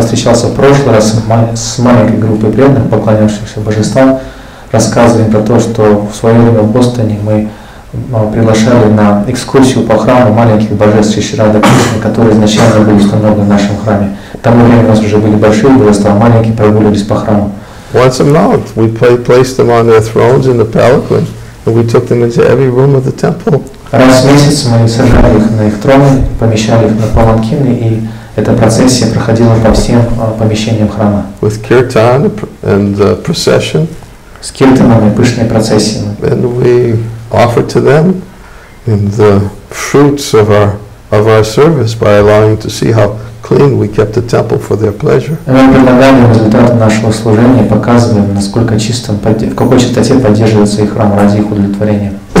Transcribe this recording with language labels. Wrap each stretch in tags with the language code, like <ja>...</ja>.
<ru>встречался в прошлый раз с маленькой группой преданных, поклонявшихся божествам, рассказывали про то, что в свое время в Бостоне мы приглашали на экскурсию по храму маленьких божеств Шри-Рады Кришны, которые изначально были установлены в нашем храме. К тому времени у нас уже были большие божества, маленькие прогуливались по храму.</ru> <en>Once a month, we placed them on their thrones in the palanquin, and we took them into every room of the temple.</en> <ru>Раз в месяц мы сажали их на их троны, помещали их на паланкины, и эта процессия проходила по всем помещениям храма.</ru> <en>With kirtan and procession.</en> <ru>С киртанами, пышной процессией.</ru> <en>And we offered to them in the fruits of our service by allowing to see how clean we kept the temple for their pleasure.</en> <ru>И мы предлагали результаты нашего служения, показывая, насколько чистым, в какой чистоте поддерживается их храм ради их удовлетворения.</ru>